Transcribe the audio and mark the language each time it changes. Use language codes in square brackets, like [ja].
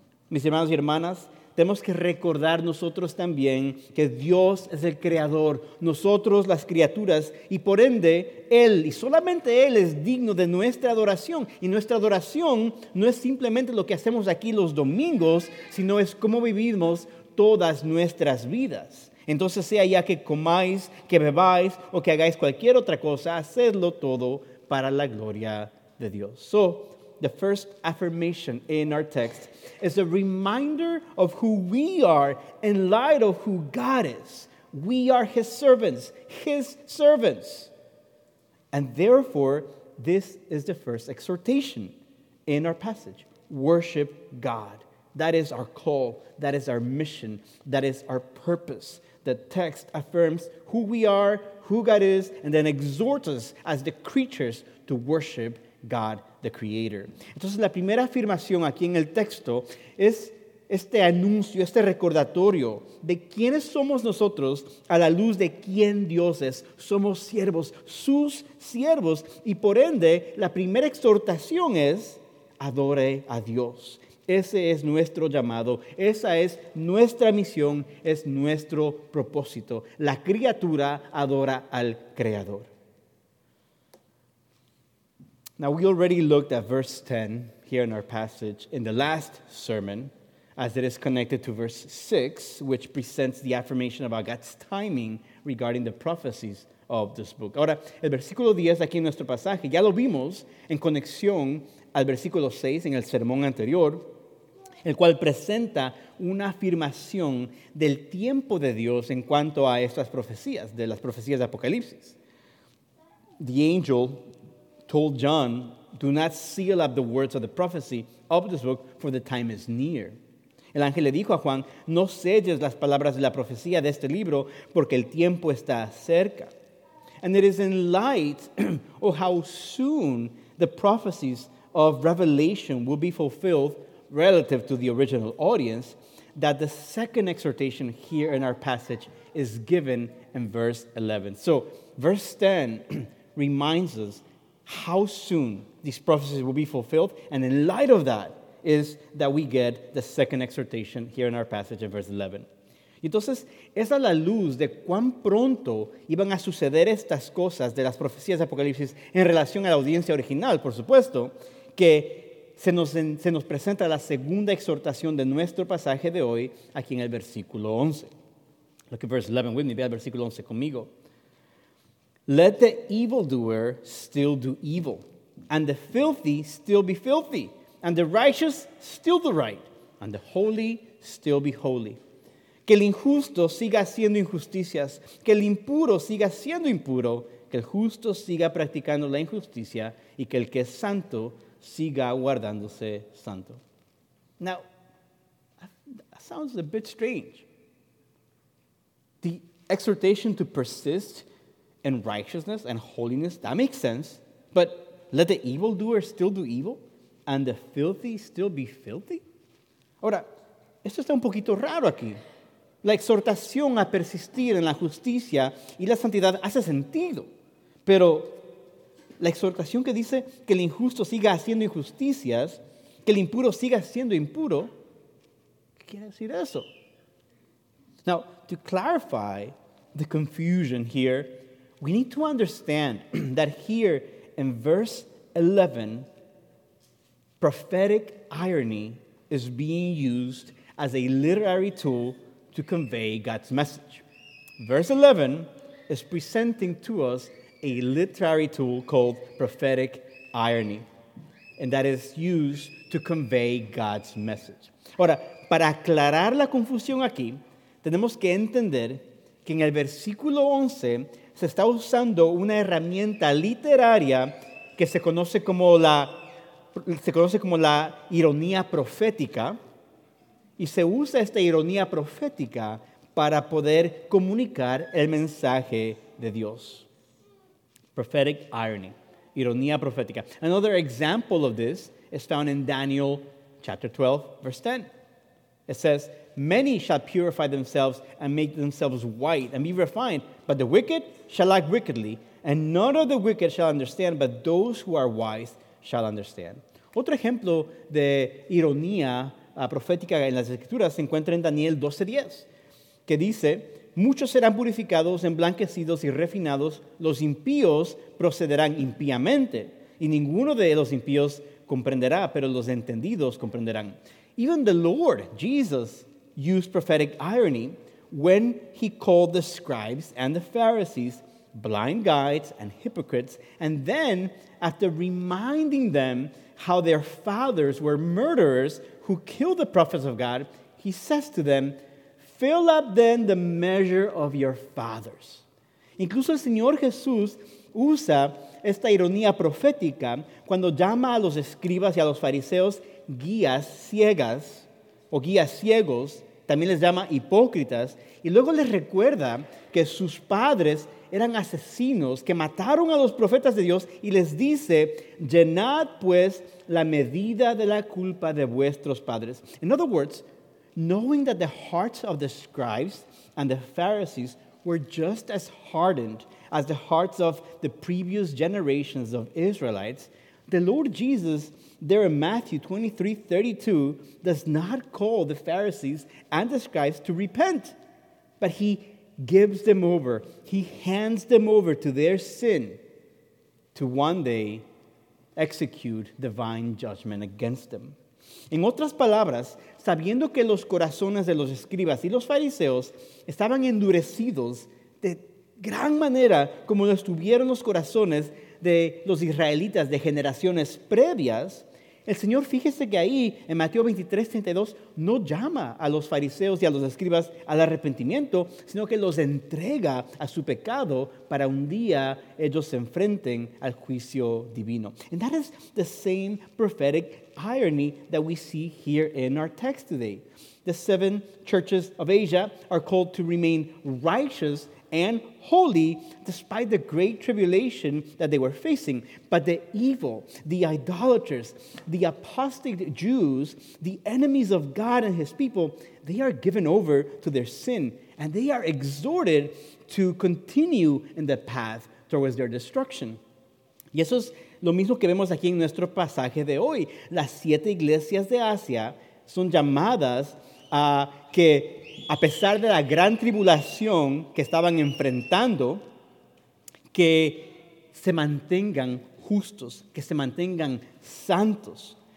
[es] Mis hermanos y hermanas, tenemos que recordar nosotros también que Dios es el creador, nosotros las criaturas, y por ende, Él, y solamente Él es digno de nuestra adoración. Y nuestra adoración no es simplemente lo que hacemos aquí los domingos, sino es cómo vivimos todas nuestras vidas. Entonces, sea ya que comáis, que bebáis o que hagáis cualquier otra cosa, hacedlo todo para la gloria de Dios. [en] So, the first affirmation in our text is a reminder of who we are in light of who God is. We are his servants, and therefore, this is the first exhortation in our passage. Worship God. That is our call, that is our mission, that is our purpose. The text affirms who we are, who God is, and then exhorts us as the creatures to worship God, the Creator. [es] Entonces, la primera afirmación aquí en el texto es este anuncio, este recordatorio de quiénes somos nosotros a la luz de quién Dios es. Somos siervos, sus siervos, y por ende, la primera exhortación es adore a Dios. Ese es nuestro llamado, esa es nuestra misión, es nuestro propósito. La criatura adora al Creador. [en] Now, we already looked at verse 10 here in our passage in the last sermon, as it is connected to verse 6, which presents the affirmation about God's timing regarding the prophecies of this book. [es] Ahora, el versículo 10 aquí en nuestro pasaje, ya lo vimos en conexión al versículo 6 en el sermón anterior, el cual presenta una afirmación del tiempo de Dios en cuanto a estas profecías, de las profecías de Apocalipsis. [en] The angel told John, "Do not seal up the words of the prophecy of this book, for the time is near." [es] El ángel le dijo a Juan, "No selles las palabras de la profecía de este libro, porque el tiempo está cerca." [en] And it is in light of how soon the prophecies of Revelation will be fulfilled relative to the original audience, that the second exhortation here in our passage is given in verse 11. So, verse 10 reminds us how soon these prophecies will be fulfilled, and in light of that is that we get the second exhortation here in our passage in verse 11. [es] Entonces, es a la luz de cuán pronto iban a suceder estas cosas de las profecías de Apocalipsis en relación a la audiencia original, por supuesto, que se nos presenta la segunda exhortación de nuestro pasaje de hoy aquí en el versículo 11. [en] Look at verse 11 with me. [es] Ve al versículo 11 conmigo. [en] "Let the evildoer still do evil, and the filthy still be filthy, and the righteous still the right, and the holy still be holy. [es] Que el injusto siga haciendo injusticias, que el impuro siga siendo impuro, que el justo siga practicando la injusticia, y que el que es santo siga guardándose santo." [en] Now, that sounds a bit strange. The exhortation to persist in righteousness and holiness, that makes sense. But let the evildoer still do evil and the filthy still be filthy? [es] Ahora, esto está un poquito raro aquí. La exhortación a persistir en la justicia y la santidad hace sentido. Pero la exhortación que dice que el injusto siga haciendo injusticias, que el impuro siga siendo impuro, ¿qué quiere decir eso? [en] Now, to clarify the confusion here, we need to understand that here in verse 11, prophetic irony is being used as a literary tool to convey God's message. Verse 11 is presenting to us a literary tool called prophetic irony, and that is used to convey God's message. [es] Ahora, para aclarar la confusión aquí, tenemos que entender que en el versículo 11 se está usando una herramienta literaria que se conoce como la ironía profética, y se usa esta ironía profética para poder comunicar el mensaje de Dios. [en] Prophetic irony, [es] ironía profética. [en] Another example of this is found in Daniel chapter 12, verse 10. It says, many shall purify themselves and make themselves white and be refined, but the wicked shall act wickedly, and none of the wicked shall understand, but those who are wise shall understand. [es] Otro ejemplo de ironía profética en las Escrituras se encuentra en Daniel 12:10, que dice, muchos serán purificados, emblanquecidos y refinados, los impíos procederán impíamente, y ninguno de los impíos comprenderá, pero los entendidos comprenderán. [en] Even the Lord, Jesus, used prophetic irony when he called the scribes and the Pharisees blind guides and hypocrites, and then, after reminding them how their fathers were murderers who killed the prophets of God, he says to them, fill up then the measure of your fathers. [es] Incluso el Señor Jesús usa esta ironía profética cuando llama a los escribas y a los fariseos guías ciegas o guías ciegos, también les llama hipócritas, y luego les recuerda que sus padres eran asesinos que mataron a los profetas de Dios, y les dice, llenad pues la medida de la culpa de vuestros padres. [en] In other words, knowing that the hearts of the scribes and the Pharisees were just as hardened as the hearts of the previous generations of Israelites, the Lord Jesus, there in Matthew 23:32, does not call the Pharisees and the scribes to repent, but he gives them over. He hands them over to their sin to one day execute divine judgment against them. [es] En otras palabras, sabiendo que los corazones de los escribas y los fariseos estaban endurecidos de gran manera como lo estuvieron los corazones de los israelitas de generaciones previas, el Señor, fíjese que ahí en Mateo 23:32, no llama a los fariseos y a los escribas al arrepentimiento, sino que los entrega a su pecado para un día ellos se enfrenten al juicio divino. [en] And that is the same prophetic irony that we see here in our text today. The seven churches of Asia are called to remain righteous and holy despite the great tribulation that they were facing. But the evil, the idolaters, the apostate Jews, the enemies of God and his people, they are given over to their sin, and they are exhorted to continue in the path towards their destruction. [es] Y eso es lo mismo que vemos aquí en nuestro pasaje de hoy. Las siete iglesias de Asia son llamadas a que, a pesar de la gran tribulación que estaban enfrentando, que se mantengan justos, que se mantengan santos.